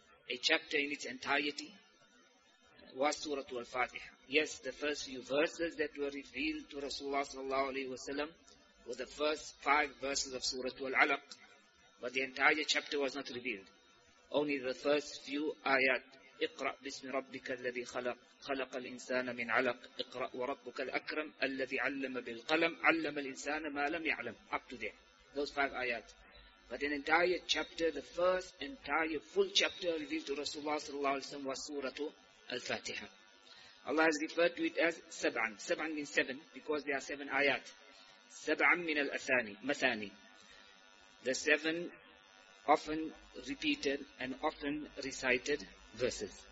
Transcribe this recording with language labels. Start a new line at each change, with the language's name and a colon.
English: A chapter in its entirety was Surah Al-Fatiha. Yes, the first few verses that were revealed to Rasulullah sallallahu alayhi wa sallam were the first five verses of Surah Al-Alaq. But the entire chapter was not revealed. Only the first few ayat.
Arabic: اقرأ بسم ربك الذي خلق خلق الإنسان من علق اقرأ وربك الأكرم الذي علم بالقلم علم الإنسان ما لم يعلم.
English: Up to there. Those five ayat. But an entire chapter, the first entire full chapter revealed to Rasulullah sallallahu alayhi wa sallam was Surah Al-Fatiha. Allah has referred to it as Sab'an. Sab'an means seven, because there are seven ayat.
Arabic: Sab'an min al-athani, mathani.
English: The seven often repeated and often recited verses.